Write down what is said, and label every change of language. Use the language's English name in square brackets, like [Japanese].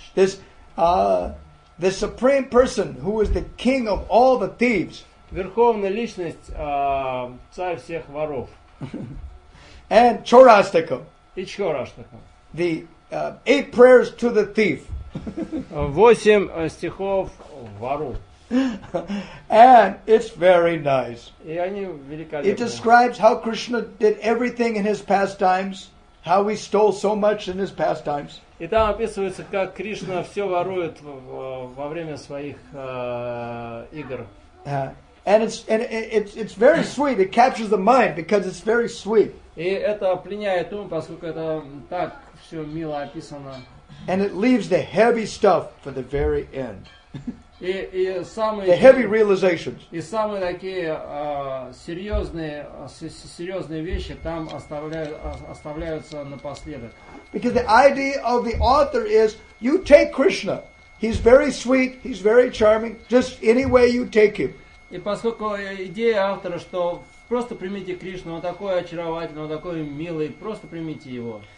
[English] This supreme person who is the king of all the thieves. [Russian] Верховная личность, царь всех воров. [English] And чарастака. [Russian] И чарастака. [English] The eight prayers to the thief. [Russian] Восемь стихов вору. [English] And it's very nice. [Russian] И они великолепны. [English] It describes how Krishna did everything in his pastimes, how he stole so much in his pastimes. [Russian] И там описывается, как Кришна все ворует во время своих игр. [English] And it's very sweet. It captures the mind because it's very sweet. [Russian] И это пленяет ум, поскольку это так все мило описано. [English] And it leaves the heavy stuff for the very end. [Russian] И самые, [English] the heavy realizations. [Russian] И самые такие серьезные вещи там оставляются напоследок. [English] Because the idea of the author is, you take Krishna. He's very sweet, he's very charming, just any way you take him. [Russian] И поскольку идея автора, что просто примите Кришну, он такой очаровательный, он такой милый, просто примите его.